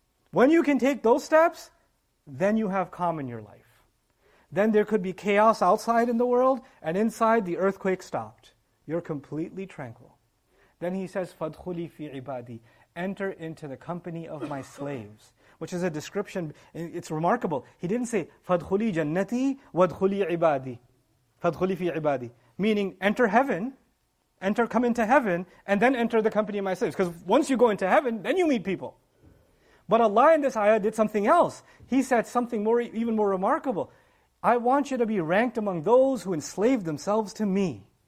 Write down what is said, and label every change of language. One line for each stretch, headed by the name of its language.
English: When you can take those steps, then you have calm in your life. Then there could be chaos outside in the world, and inside the earthquake stopped. You're completely tranquil. Then He says,
Arabic: فَدْخُلِي فِي عِبَادِي.
English: Enter into the company of my slaves. Which is a description, it's remarkable. He didn't say,
Arabic: فَدْخُلِي جَنَّتِي وَدْخُلِي عِبَادِي. فَدْخُلِي فِي عِبَادِي.
English: Meaning, enter heaven, enter, come into heaven, and then enter the company of my slaves. Because once you go into heaven, then you meet people. But Allah in this ayah did something else. He said something more, even more remarkable. I want you to be ranked among those who enslaved themselves to me.